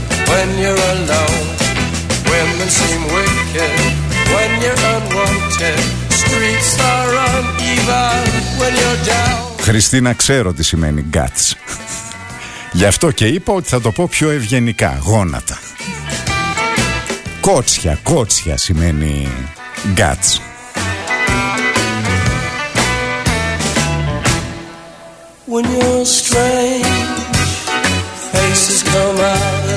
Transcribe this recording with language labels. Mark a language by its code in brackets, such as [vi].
[en] When you're alone, women seem wicked. When you're unwanted, streets are uneven. When you're down. [el] Χριστίνα, ξέρω τι σημαίνει guts. Γι' αυτό και είπα ότι θα το πω πιο ευγενικά, γόνατα. Κότσια, κότσια σημαίνει guts. [en] When you're strange, faces come out.